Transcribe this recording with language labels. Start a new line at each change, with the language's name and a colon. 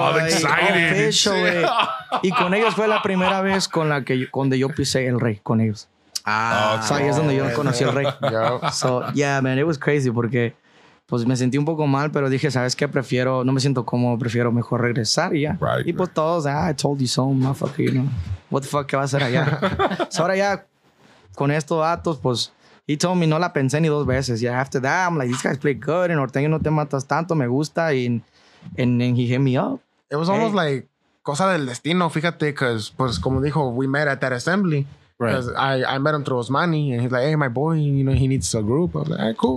English: Oh, they're all excited. Official,
Spanish: sí. Y con ellos fue la primera vez con la que yo pisé el rey, con ellos. Ah. So, ahí es donde yo conocí al rey. Yo.
English: So, yeah, man, it was crazy
Spanish: porque... Pues me sentí un poco mal, pero dije, ¿sabes qué? Prefiero, no me siento cómodo, prefiero mejor regresar y ya.
English: Right,
Spanish: y pues
English: right.
Spanish: Todos,
English: I told you so, motherfucker, you know. What the fuck,
Spanish: ¿qué va a hacer allá? So ahora ya, con estos datos, pues,
English: he told me,
Spanish: no la pensé ni 2 veces.
English: Yeah, after that, I'm like, these guys play good,
Spanish: en Orteño no te matas tanto, me gusta,
English: and he hit me up. It was almost like,
Spanish: cosa del destino, fíjate,
English: because,
Spanish: pues, como dijo,
English: we met at that assembly. Because I met him through Osmani, and he's like, hey, my boy, you know, he needs a group. I was like, hey, cool.